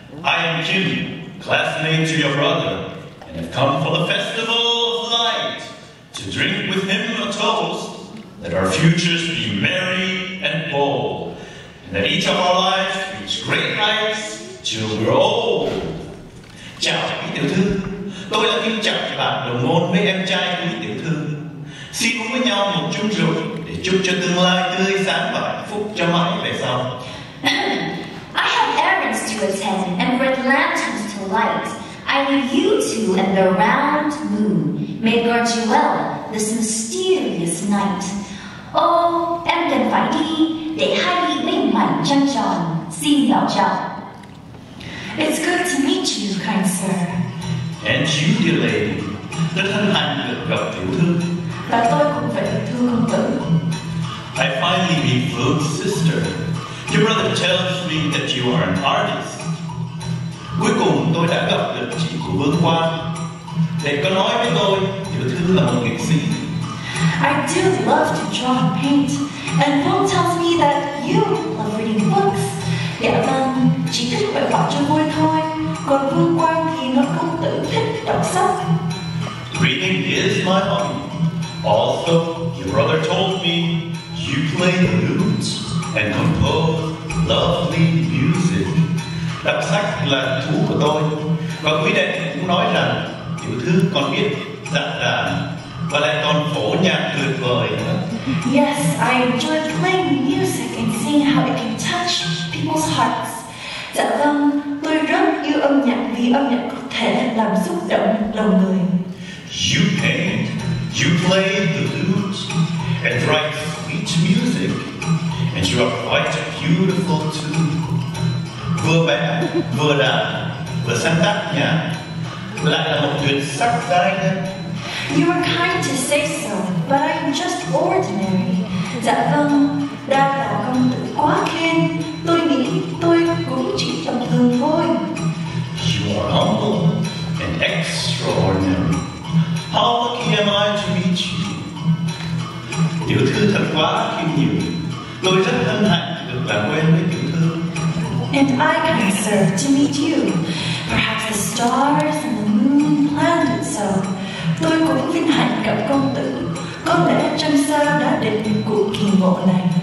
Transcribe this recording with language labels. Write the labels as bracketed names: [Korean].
[English] I am Kiew, classmate to your brother, and have come for the festival of light, to drink with him a toast, that our futures be merry and bold, and that each of our lives reach great heights till we're old. [Vietnamese] Chào quý tiểu thư, tôi là kính chào cho bạn đồng môn với em trai quý tiểu thư. Xin uống với nhau một chung rượu để chúc cho tương lai tươi sáng và hạnh phúc cho mãi về sau. [English] I have errands to attend and red lanterns to light. I leave you two and the round moon. May guard you well this mysterious night. [Vietnamese] Oh, em cần phải đi để hai vị minh mạnh trăng tròn. Xin chào chào. [English] It's good to meet you, kind sir. And you, dear lady. [Vietnamese] Rất hân hạnh được gặp tiểu thư. Và tôi cũng phải thưa công tử. [English] I finally meet Phương's sister. Your brother tells me that you are an artist. [Vietnamese] Cuối cùng tôi đã gặp được chị của Vương Hoa. Thầy có nói với tôi, tiểu thư là một nghệ sĩ. [English] I do love to draw and paint. And Phương tells me that you love reading books. [Vietnamese] Dạ vâng, chị thích vẽ vẽ cho vui thôi. Còn Vương Quang thì nó công tử thích đọc sách. [English] Reading is my hobby. Also, your brother told me you play the lute and compose lovely music. [Vietnamese] Đọc sách là thú của tôi. Và quý đệ cũng nói rằng tiểu thư còn biết dạng đàn và lại còn phổ nhạc tuyệt vời. [English] Yes, I enjoy playing music and seeing how it can touch people's hearts. [Vietnamese] Dạ vâng, tôi rất yêu âm nhạc vì âm nhạc có thể làm xúc động lòng người. [English] You paint. You play the lute and write sweet music, and you are quite beautiful too. [Vietnamese] Vừa vẽ, vừa đàn, vừa sáng tác nhạc, lại là một tuyệt sắc giai nhân. [English] You are kind to say so, but I am just ordinary. [Vietnamese] Dạ vâng, đa tạ công tử quá khen. Tôi nghĩ tôi cũng chỉ tầm thường thôi. [English] You are humble and extraordinary. How lucky am I to meet you? [Vietnamese] Tiểu thư thật quá khiêm nhiều. Tôi rất hân hạnh được làm quen với tiểu thư. [English] And I can serve to meet you. Perhaps the stars and the moon planned it so. [Vietnamese] Tôi cũng vinh hạnh gặp công tử. Có lẽ trăng sao đã định cuộc kỳ ngộ này.